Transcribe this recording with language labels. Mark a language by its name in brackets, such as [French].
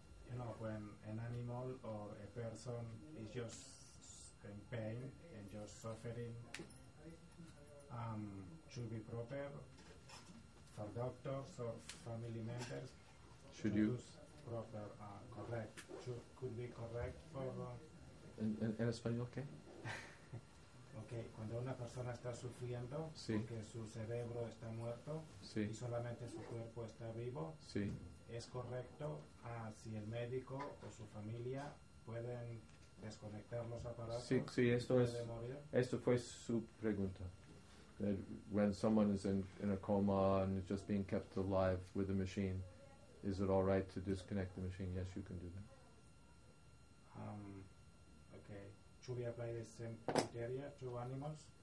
[English] You know, when an animal or a person is just in pain and just suffering, should be proper for doctors or family members? Should you? Proper, correct. Should, could be correct for... [Spanish] En español, ¿qué? Okay, cuando una persona está sufriendo, sí, porque su cerebro está muerto, sí, y solamente su cuerpo está vivo, sí, ¿es correcto si el médico o su familia pueden desconectar los aparatos? Sí, sí, esto puede es morir? Esto fue su pregunta. [English] That when someone is in a coma and is just being kept alive with a machine, is it all right to disconnect the machine? Yes, you can do that. Okay. Should we apply the same criteria to animals?